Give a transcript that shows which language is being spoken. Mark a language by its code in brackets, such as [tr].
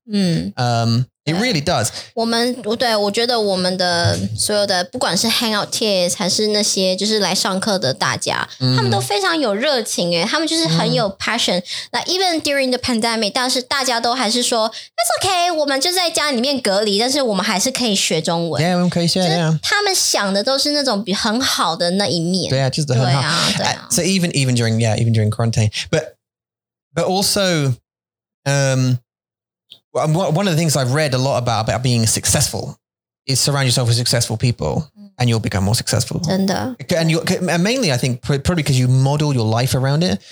[en] It really does. [zh] 我们的所有的不管是 hangout tiers 还是那些就是来上课的大家，他们都非常有热情耶，他们就是很有 passion. [en] Like even during the pandemic, [zh] 但是大家都还是说 [en] that's okay. [zh] 我们就在家里面隔离，但是我们还是可以学中文. Yeah, 我们可以学。Yeah. 他们想的都是那种很好的那一面。对啊，就是很好。对啊。So [en] even during even during quarantine, but also, one of the things I've read a lot about being successful is surround yourself with successful people and you'll become more successful. And mainly, I think, probably because you model your life around it.